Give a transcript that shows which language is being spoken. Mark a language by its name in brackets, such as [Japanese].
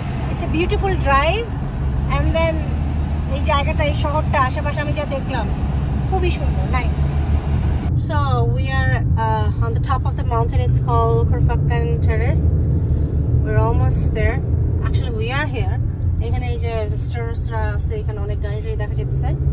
[English] it's a beautiful drive and then [Bangla] এই জায়গাটা, এই শহরটা আশেপাশে আমি যা দেখলাম খুবই সুন্দর, nice. [English] So we are on the top of the mountain, it's called Corfaken Terrace. We're almost there. Actually we are here. [Bangla] এখানে এই যে visitors রা আছে, এখানে অনেক গাড়ি টাড়ি দেখা যেতেছে।